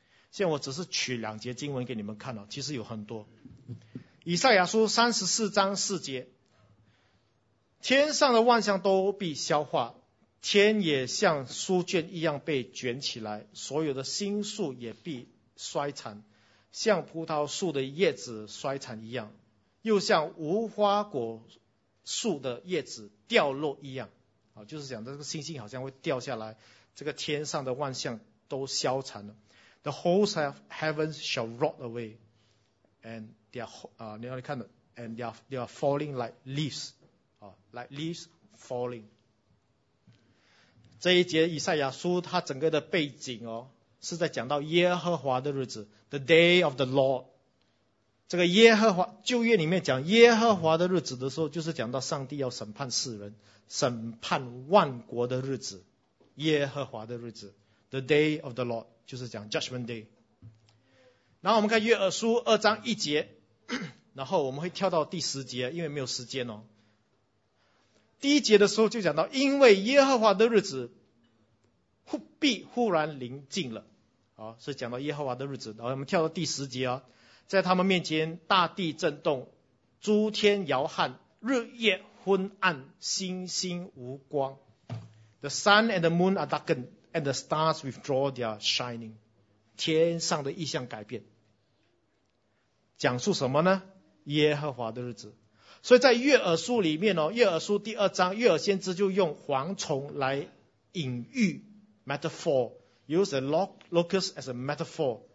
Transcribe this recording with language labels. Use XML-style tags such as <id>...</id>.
<zh>现在我只是取两节经文给你们看了，其实有很多。以赛亚书34:4，天上的万象都必消化，天也像书卷一样被卷起来，所有的星宿也必衰残，像葡萄树的叶子衰残一样，又像无花果树的叶子掉落一样。啊，就是讲的这个星星好像会掉下来，这个天上的万象都消残了。</zh> <en>The hosts of heavens shall rot away, and they are, 你看的, and they are falling like leaves, like leaves falling.</en> <zh>这一节以赛亚书它整个的背景哦，是在讲到耶和华的日子 ， the day of the Lord。这个耶和华旧约里面讲耶和华的日子的时候，就是讲到上帝要审判世人、审判万国的日子，耶和华的日子 ， the day of the Lord。就是讲 Judgment Day。然后我们看约珥书2:1，然后我们会跳到第10节，因为没有时间哦。第一节的时候就讲到，因为耶和华的日子必忽然临近了，好，所以讲到耶和华的日子。然后我们跳到第10节啊，在他们面前大地震动，诸天摇撼，日夜昏暗，星星无光。</zh> <en>The sun and the moon are darkened,And the stars withdraw their shining.</en> <zh>天上的异象改变，讲述什么呢？耶和华的日子。所以在约珥书里面哦，约珥书2，约珥先知就用蝗虫来隐喻 metaphor, use the locust as a metaphor.</zh>